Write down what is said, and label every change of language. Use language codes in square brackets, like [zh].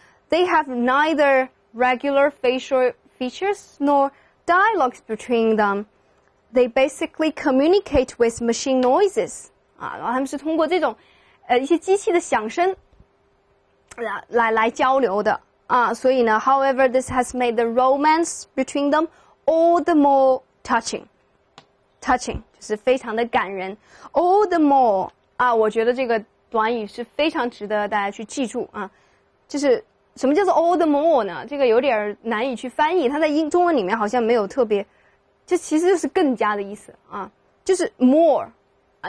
[en] They have neither regular facial features nor dialogues between them. They basically communicate with machine noises. [zh] 啊，然后他们是通过这种，一些机器的响声，来交流的啊。所以呢， [en] however, this has made the romance between them all the more touching. [zh] Touching 就是非常的感人，all the more。啊，我觉得这个短语是非常值得大家去记住啊！就是什么叫做 all the more 呢？这个有点难以去翻译，它在中文里面好像没有特别，这其实就是更加的意思啊，就是 more 啊。